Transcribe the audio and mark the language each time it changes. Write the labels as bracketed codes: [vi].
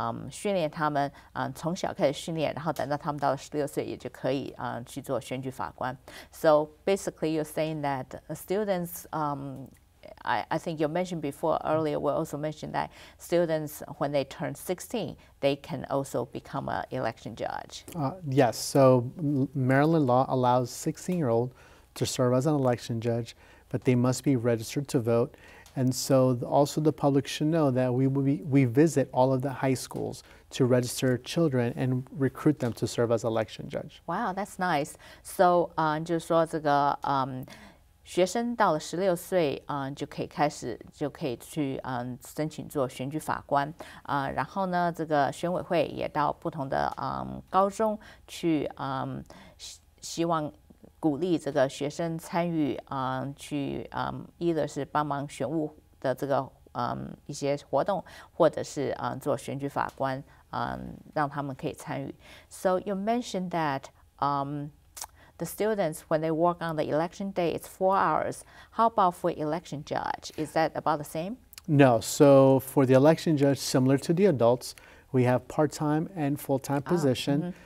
[zh] 训练他们，从小开始训练，然后等到他们到了16岁也就可以，去做选举法官。 [en] So basically you're saying that students, I think you mentioned before earlier, we also mentioned that students when they turn 16 they can also become an election judge. Yes, so Maryland law allows 16 year old to serve as an election judge, but they must be registered to voteAnd so also the public should know that we visit all of the high schools to register children and recruit them to serve as election judge. Wow, that's nice. [zh] So, 就是说这个，学生到了十六岁，就可以开始，就可以去，申请做选举法官，然后呢，这个选委会也到不同的，高中去，希望鼓励这个学生参与，去，either 是帮忙选务的这个，一些活动，或者是，做选举法官，让他们可以参与。 [en] So you mentioned that, the students, when they work on the election day, it's 4 hours. How about for election judge? Is that about the same? No. So for the election judge, similar to the adults, we have part-time and full-time position.